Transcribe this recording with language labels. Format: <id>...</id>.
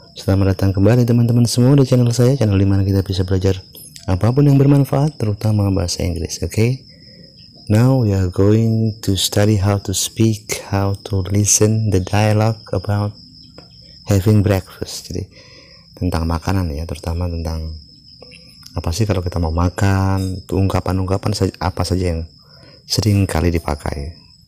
<id>Selamat datang kembali teman-teman semua di channel saya, channel di mana kita bisa belajar apapun yang bermanfaat, terutama bahasa Inggris.</id> <en>Okay? Now we are going to study how to speak, how to listen the dialogue about having breakfast.</en> <id>Jadi tentang makanan ya, terutama tentang apa sih kalau kita mau makan, ungkapan-ungkapan apa saja yang sering kali dipakai.</id>